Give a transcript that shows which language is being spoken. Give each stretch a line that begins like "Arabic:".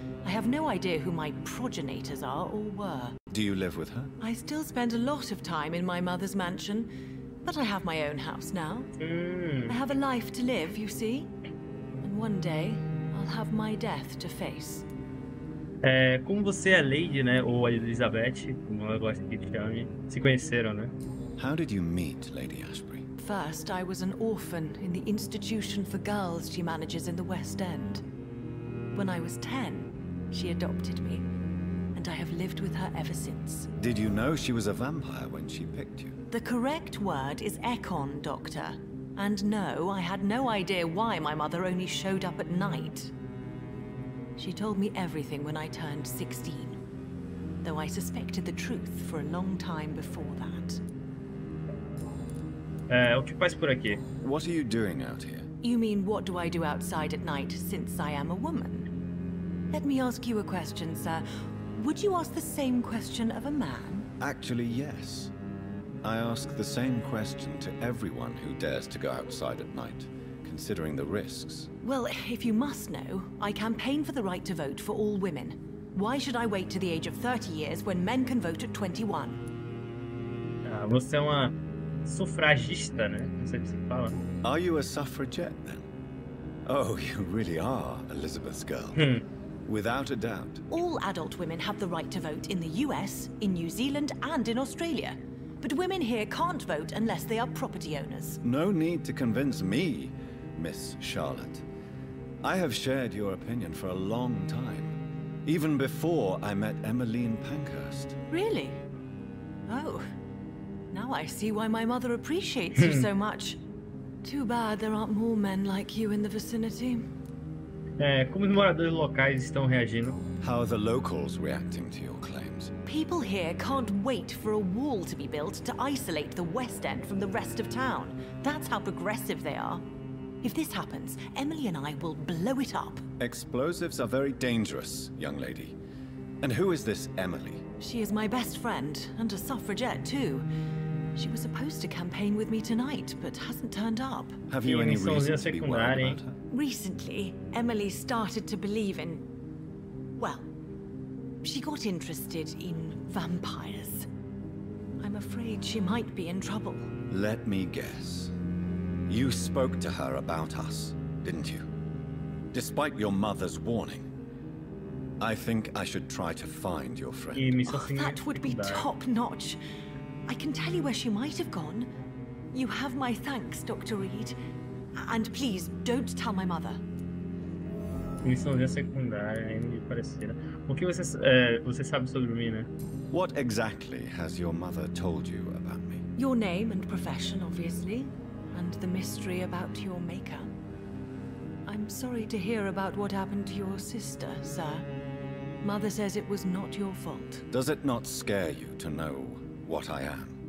English: I have no idea who my progenitors are or were. Do you live with her? I still spend a lot of time in my mother's mansion, but I have my own house now. Mm. I have a life to live, you see? And one day, I'll have my death to face.
Portuguese: Como você é a Lady, né? Ou a Elizabeth, como ela gosta que te chame. Se conheceram, né?
English: How did you meet Lady Ashbury? First, I was an orphan in the institution for girls she manages in the West End. When I was 10, she adopted me, and I have lived with her ever since. Did you know she was a vampire when she picked you? The correct word is Econ, Doctor. And no, I had no idea why my mother only showed up at night. She told me everything when I turned 16, though I suspected the truth for a long time before that.
Portuguese: O que faz por aqui?
English: What are you doing out here? You mean, what do I do outside at night, since I am a woman? Let me ask you a question, sir. Would you ask the same question of a man? Actually, yes. I ask the same question to everyone who dares to go outside at night, considering the risks. Well, if you must know, I campaign for the right to vote for all women. Why should I wait to the age of 30 years when men can vote at 21?
Portuguese: Você é uma sufragista, né? Não sei o que se fala.
English: Are you a suffragette, then? Oh, you really are, Elizabeth's girl. Without a doubt. All adult women have the right to vote in the US, in New Zealand, and in Australia. But women here can't vote unless they are property owners. No need to convince me, Miss Charlotte. I have shared your opinion for a long time, even before I met Emmeline Pankhurst. Really? Oh, now I see why my mother appreciates you so much. Too bad there aren't more men like you in the vicinity.
Portuguese: Como os moradores locais estão reagindo?
English: How are the locals reacting to your claims? People here can't wait for a wall to be built to isolate the West End from the rest of town. That's how progressive they are. If this happens, Emily and I will blow it up. Explosives are very dangerous, young lady. And who is this Emily? She is my best friend, and a suffragette too. She was supposed to campaign with me tonight, but hasn't turned up. Have you any reason to be worried about her? Recently, Emily started to believe in... Well, she got interested in vampires. I'm afraid she might be in trouble. Let me guess. You spoke to her about us, didn't you? Despite your mother's warning. I think I should try to find your friend. That would be top notch. I can tell you where she might have gone. You have my thanks, Dr. Reed. And please, don't tell my mother.
Portuguese: Missãozinha secundária, hein, parecida. O que você sabe sobre mim, né?
English: What exactly has your mother told you about me? Your name and profession, obviously. And the mystery about your maker. I'm sorry to hear about what happened to your sister, sir. Mother says it was not your fault. Does it not scare you to know what I am?